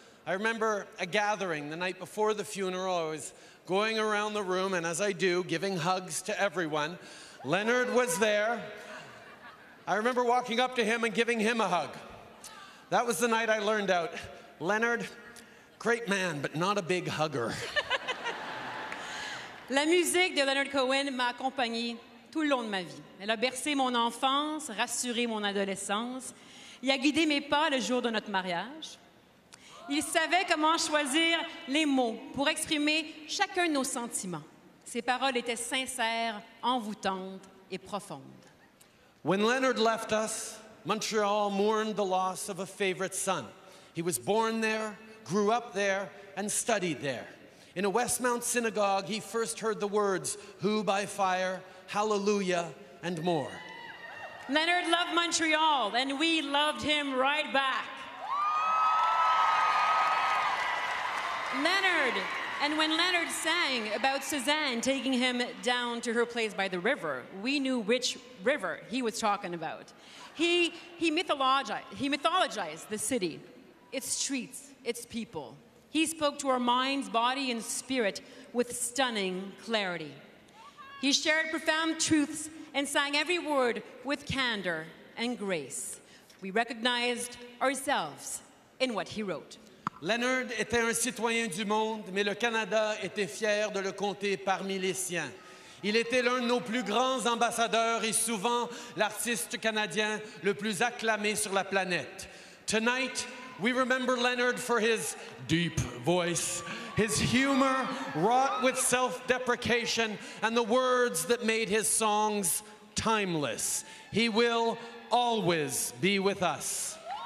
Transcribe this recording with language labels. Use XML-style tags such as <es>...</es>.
<en>I remember a gathering the night before the funeral. I was going around the room, and as I do, giving hugs to everyone. Leonard was there. I remember walking up to him and giving him a hug. That was the night I learned out, Leonard, great man, but not a big hugger.</en> <fr>La musique de Leonard Cohen m'a accompagnée tout le long de ma vie. Elle a bercé mon enfance, rassuré mon adolescence, et a guidé mes pas le jour de notre mariage. Il savait comment choisir les mots pour exprimer chacun de nos sentiments. Ses paroles étaient sincères, envoûtantes et profondes.</fr> <en>When Leonard left us, Montreal mourned the loss of a favorite son. He was born there, grew up there, and studied there. In a Westmount synagogue, he first heard the words, "Who by fire, hallelujah, and more." Leonard loved Montreal, and we loved him right back. Leonard, and when Leonard sang about Suzanne taking him down to her place by the river, we knew which river he was talking about. He mythologized the city, its streets, its people. He spoke to our minds, body, and spirit with stunning clarity. He shared profound truths and sang every word with candor and grace. We recognized ourselves in what he wrote.</en> <fr>Leonard était un citoyen du monde, mais le Canada était fier de le compter parmi les siens. Il était l'un de nos plus grands ambassadeurs et souvent l'artiste canadien le plus acclamé sur la planète.</fr> <en>Tonight, we remember Leonard for his deep voice, his humor wrought with self-deprecation and the words that made his songs timeless. He will always be with us.</en>